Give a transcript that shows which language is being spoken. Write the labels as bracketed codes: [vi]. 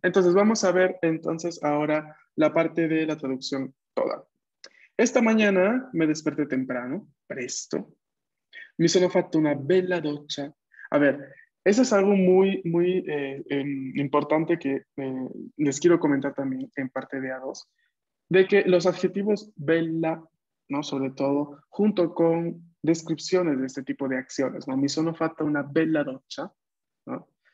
[es] Entonces vamos a ver entonces ahora la parte de la traducción toda. Esta mañana me desperté temprano, presto. [it] Mi sono fatto una bella doccia. [es] A ver, eso es algo muy, muy importante que les quiero comentar también en parte de A2, de que los adjetivos bella, ¿no? Sobre todo, junto con descripciones de este tipo de acciones, ¿no? [it] Mi sono fatto una bella doccia, [es] ¿no?